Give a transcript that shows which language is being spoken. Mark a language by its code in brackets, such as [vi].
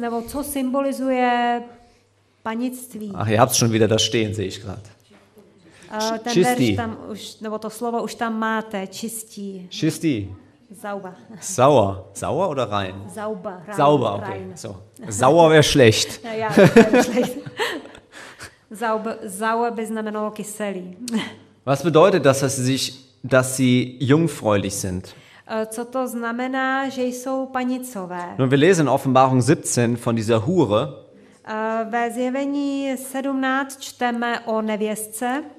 [cs] Co symbolizuje panictví? [de] Ach, ihr habt es schon wieder da stehen, sehe ich gerade. [cs] Čistý. Tam už, nebo to slovo už tam máte, čistí. Čistý. [de] Sauber. Sauer. Sauer oder rein? Sauber. Rein, sauber, okay. Rein. So. Sauer wäre schlecht. Ja, wäre schlecht. Sauer [cs] by znamenalo kyselý. [de] Was bedeutet das, dass sie jungfräulich sind? [cs] Co to znamená, že jsou panicové? [de] Nun, wir lesen in Offenbarung 17 von dieser Hure. [cs] Ve Zjevení 17 čteme o nevěstce.